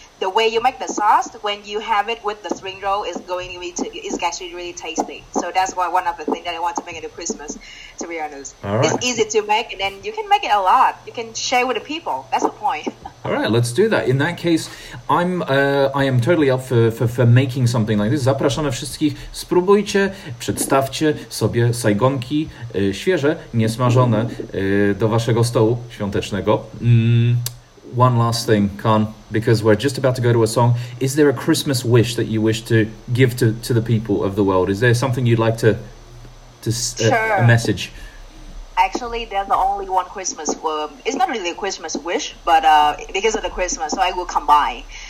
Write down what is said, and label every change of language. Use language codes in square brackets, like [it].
[en] The way you make the sauce when you have it with the spring roll is going to be is actually really tasty. So that's why one of the things that I want to make it at Christmas, to be honest. Right. It's easy to make, and then you can make it a lot. You can share with the people. That's the point. All right, let's do that. In that case, I am totally up for making something like this. [pl] Zapraszam wszystkich. Spróbujcie, przedstawcie sobie saigonki świeże, niesmażone do waszego stołu świątecznego. [en] One last thing, Khan, because we're just about to go to a song. Is there a Christmas wish that you wish to give to the people of the world? Is there something you'd like to a message? Actually, there's only one Christmas. It's not really a Christmas wish, but because of the Christmas, so I will come by.